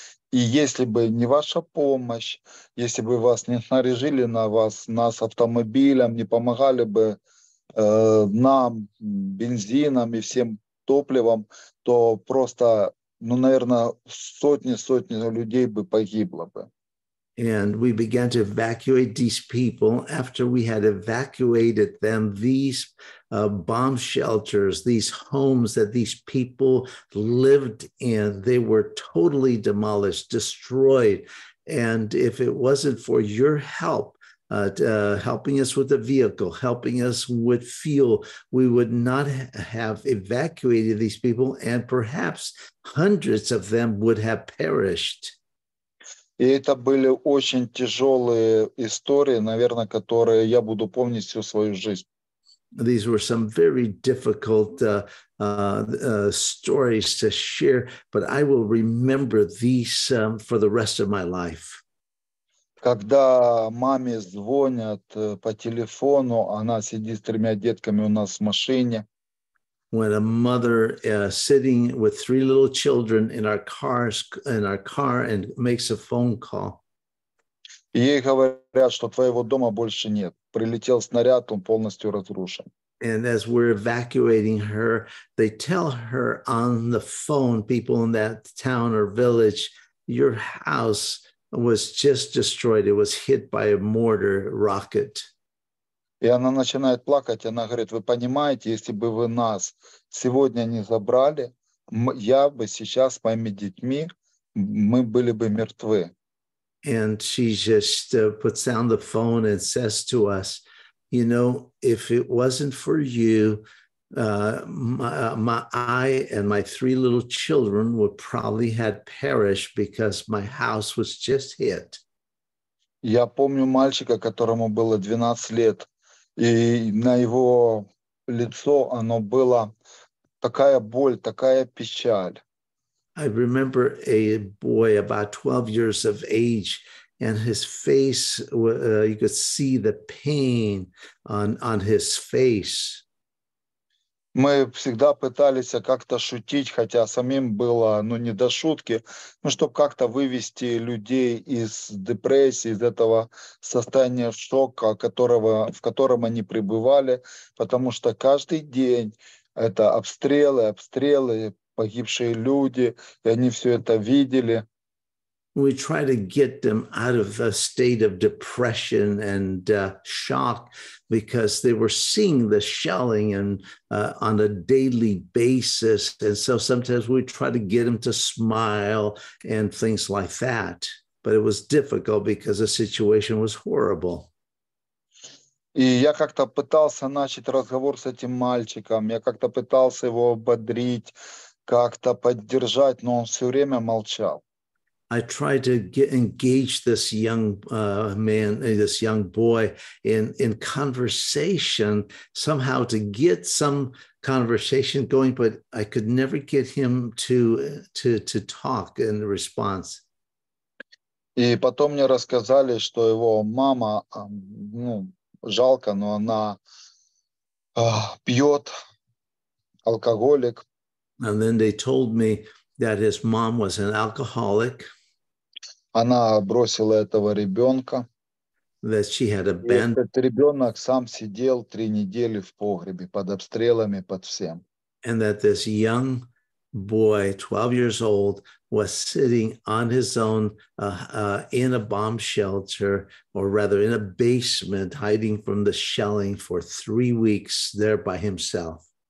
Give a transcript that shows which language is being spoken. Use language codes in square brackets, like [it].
[ru] И если бы не ваша помощь, если бы вас не снаряжили на вас, нас автомобилем, не помогали бы нам, бензином и всем топливом, то просто, ну, наверное, сотни-сотни людей бы погибло бы. [en] And we began to evacuate these people. After we had evacuated them, these bomb shelters, these homes that these people lived in, they were totally demolished, destroyed. And if it wasn't for your help, helping us with the vehicle, helping us with fuel, we would not have evacuated these people, and perhaps hundreds of them would have perished. [ru] И это были очень тяжелые истории, наверное, которые я буду помнить всю свою жизнь. [en] These were some very difficult stories to share, but I will remember these for the rest of my life. [ru] Когда маме звонят по телефону, она сидит с тремя детками у нас в машине. [en] When a mother sitting with three little children in our car and makes a phone call. [ru] Ей говорят, что твоего дома больше нет. Прилетел снаряд, он полностью разрушен. [en] And as we're evacuating her, they tell her on the phone, people in that town or village, your house was just destroyed. It was hit by a mortar rocket. [ru] И она начинает плакать, она говорит, вы понимаете, если бы вы нас сегодня не забрали, я бы сейчас с моими детьми, мы были бы мертвы. [en] And she just puts down the phone and says to us, you know, if it wasn't for you, I and my three little children would probably have perished because my house was just hit. [ru] Я помню мальчика, которому было 12 лет. И на его лицо оно было такая боль, такая печаль. [en] I remember a boy about 12 years of age, and his face, you could see the pain on his face. [ru] Мы всегда пытались как-то шутить, хотя самим было, ну, не до шутки, ну, чтобы как-то вывести людей из депрессии, из этого состояния шока, в котором они пребывали, потому что каждый день это обстрелы, погибшие люди, и они все это видели. [en] We try to get them out of a state of depression and shock because they were seeing the shelling and on a daily basis. And so sometimes we try to get them to smile and things like that. But it was difficult because the situation was horrible. [ru] И я как-то пытался начать разговор с этим мальчиком. Я как-то пытался его ободрить, как-то поддержать, но он все время молчал. [en] I tried to engage this young man, this young boy, in conversation, somehow to get some conversation going, but I could never get him to talk in response. [ru] И потом мне рассказали, что его мама, ну, жалко, но она пьет, алкоголик. [en] And then they told me that his mom was an alcoholic. [ru] Она бросила этого ребенка. Этот ребенок сам сидел 3 недели в погребе под обстрелами, под всем. [en] And that this young boy, 12 years old, was sitting on his own in a bomb shelter, or rather in a basement, hiding from the shelling for 3 weeks there by himself.